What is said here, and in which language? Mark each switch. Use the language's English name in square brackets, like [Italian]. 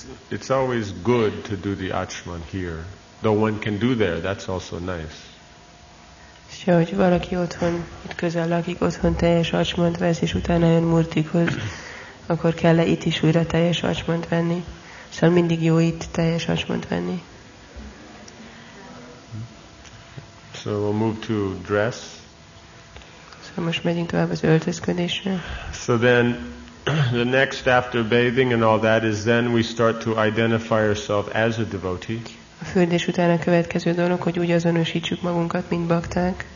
[English] It's always good to do the achman here, though one can do there. That's also nice. [Hungarian] Szóval, hogy valaki otthon, itt közel lakik, otthon teljes achmant vesz, és utána jön Murtikhoz, akkor kell-e itt is újra teljes achmant venni? Szóval mindig jó itt teljes achmant venni. [English] So we'll move to dress. [Hungarian] Szóval most megyünk tovább az öltözködésre. [English] So then, the next after bathing and all that is then we start to identify ourselves as a devotee. [Hungarian] A fürdés után a következő dolog, hogy úgy azonosítsuk magunkat, mint bakták.